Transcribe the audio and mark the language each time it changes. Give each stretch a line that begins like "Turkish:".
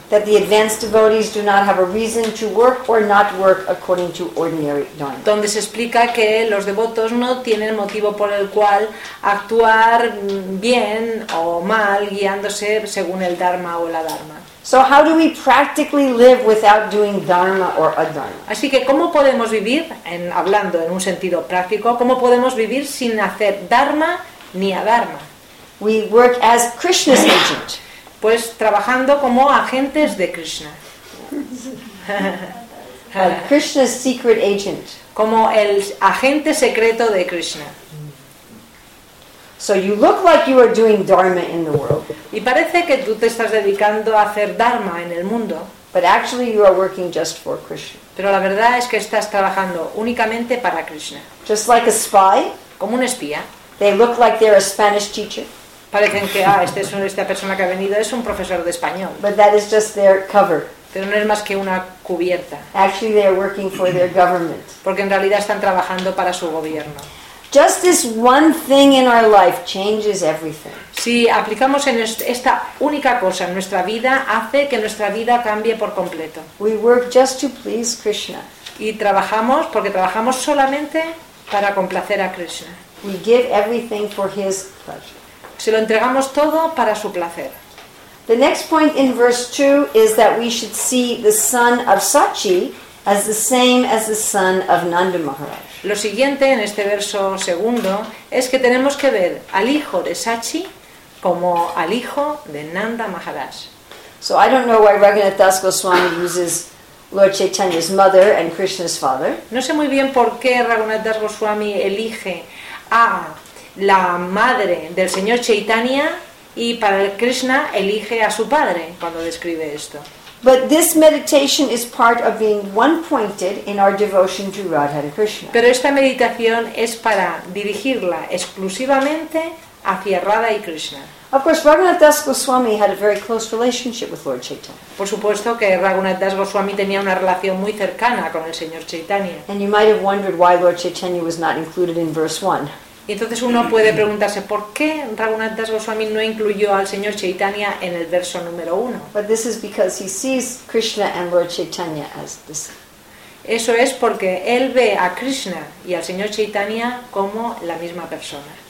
English: That the advanced devotees do not have a reason to work or not work according to ordinary dharma.
Spanish: Donde se explica que los devotos no tienen motivo por el cual actuar bien o mal guiándose según el dharma o la dharma.
English: So how do we practically live without doing dharma or adharma?
Spanish: Así que cómo podemos vivir, en, hablando en un sentido práctico, cómo podemos vivir sin hacer dharma ni adharma.
English: We work as Krishna's agent.
Spanish: Pues trabajando como agentes de Krishna.
English: Krishna's secret agent.
Spanish: Como el agente secreto de Krishna.
English: So you look like you are doing dharma in the world.
Spanish: Y parece que tú te estás dedicando a hacer dharma en el mundo.
English: But actually you are working just for Krishna.
Spanish: Pero la verdad es que estás trabajando únicamente para Krishna.
English: Just like a spy.
Spanish: Como un espía.
English: They look like they're a Spanish teacher.
Spanish: Parecen que esta persona que ha venido es un profesor de español.
English: But that is just their cover.
Spanish: Pero no es más que una cubierta.
English: Actually, they are working for their government.
Spanish: Porque en realidad están trabajando para su gobierno.
English: Just this one thing in our life changes everything.
Spanish: Si aplicamos en esta única cosa en nuestra vida, hace que nuestra vida cambie por completo.
English: We work just to please Krishna.
Spanish: Y trabajamos porque trabajamos solamente para complacer a Krishna.
English: We give everything for his pleasure.
Spanish: Se lo entregamos todo para su placer.
English: The next point in verse 2 is that we should see the son of Sachi as the same as the son of Nanda Maharaj.
Spanish: Lo siguiente en este verso segundo es que tenemos que ver al hijo de Sachi como al hijo de Nanda Maharaj.
English: So I don't know why Raghunath Das Goswami uses Lord Chaitanya's mother and Krishna's father.
Spanish: No sé muy bien por qué Raghunath Das Goswami elige a la madre del señor Chaitanya y para el Krishna elige a su padre cuando describe esto.
English: But this meditation is part of being one-pointed in our devotion to Radha and Krishna.
Spanish: Pero esta meditación es para dirigirla exclusivamente hacia Radha y Krishna.
English: Of course, Raghunath Das Goswami had a very close relationship with Lord Chaitanya.
Spanish: Por supuesto que Raghunath Das Goswami tenía una relación muy cercana con el señor Chaitanya.
English: And you might have wondered why Lord Chaitanya was not included in verse 1.
Spanish: Y entonces uno puede preguntarse por qué Raghunath Das Goswami no incluyó al señor Chaitanya en el verso número 1.
English: But this is because he sees Krishna and Lord Chaitanya as the same.
Spanish: Eso es porque él ve a Krishna y al señor Chaitanya como la misma persona.